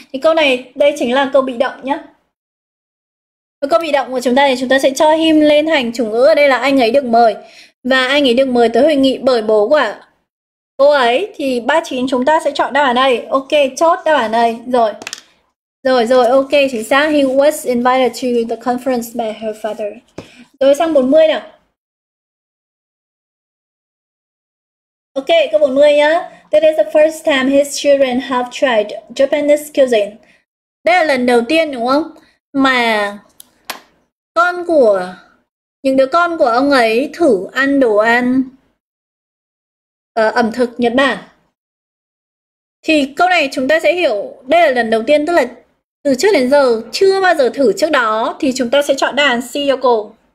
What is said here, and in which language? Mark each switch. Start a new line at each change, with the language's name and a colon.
Vietnamese: Thì câu này đây chính là câu bị động nhá. Câu bị động của chúng ta thì chúng ta sẽ cho him lên hành chủ ngữ, ở đây là anh ấy được mời. Và anh ấy được mời tới hội nghị bởi bố của cô ấy. Thì 39 chúng ta sẽ chọn đáp án này. Ok, chốt đáp án này. Rồi. Rồi rồi, ok, chính xác.
English: He was invited to the conference by her father.
Vietnamese: Rồi sang 40 nào. Ok, câu 40 nhá.
English: That is the first time his children have tried Japanese cuisine.
Vietnamese: Đây là lần đầu tiên đúng không? Mà con của những đứa con của ông ấy thử ăn đồ ăn ẩm thực Nhật Bản. Thì câu này chúng ta sẽ hiểu đây là lần đầu tiên, tức là từ trước đến giờ chưa bao giờ thử trước đó, thì chúng ta sẽ chọn đáp án C Yoko.